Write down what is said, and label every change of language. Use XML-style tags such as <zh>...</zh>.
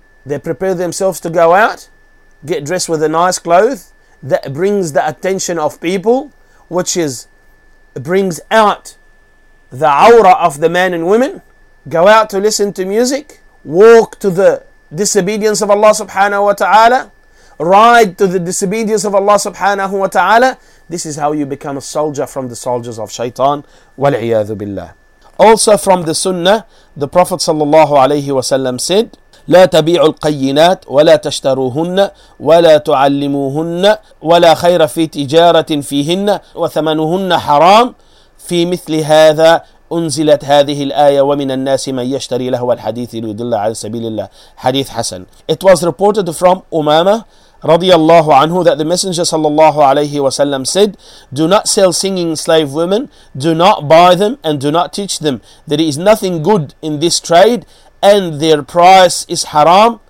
<en>They prepare themselves to go out, get dressed with a nice cloth that brings the attention of people, which is brings out the aura of the men and women, go out to listen to music, walk to the disobedience of Allah subhanahu wa ta'ala, ride to the disobedience of Allah subhanahu wa ta'ala. This is how you become a soldier from the soldiers of shaitan.</en> <ar>Wal'iyadhu billah.</ar> <en>Also from the sunnah, the Prophet sallallahu alayhi wa sallam said,</en> <ar>لا تبيعوا القينات ولا تشتروهن ولا تعلموهن ولا خير في تجارة فيهن وثمنهن حرام في مثل هذا أنزلت هذه الآية ومن الناس من يشتري لهو الحديث ليدل على سبيل الله. حديث حسن.</ar> <en>It was reported from أمامة رضي الله عنه that the Messenger صلى الله عليه وسلم said, do not sell singing slave women, do not buy them and do not teach them. There is nothing good in this trade, and their price is haram.</en>